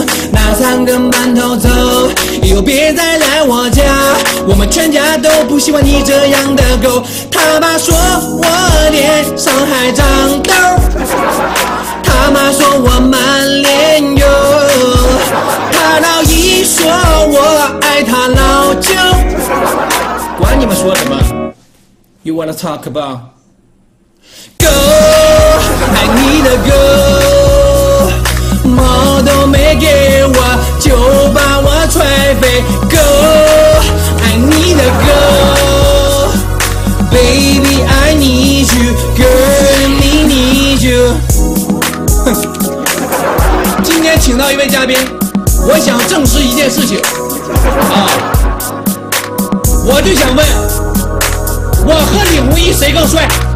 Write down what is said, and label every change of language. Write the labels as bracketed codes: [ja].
[zh] 拿三个馒头走，以后别再来我家，我们全家都不希望你这样的狗。他爸说我脸上还长痘，他妈说我满脸油，他老姨说我爱他老舅。管你们说什么 [en] You wanna talk about Girl, I need a girl [zh] 毛都没给我就把我踹飞 [en] Girl, I need a girl Baby, I need you Girl, I need you [zh] 今天请到一位嘉宾，我想证实一件事情啊，我就想问我和李无一谁更帅。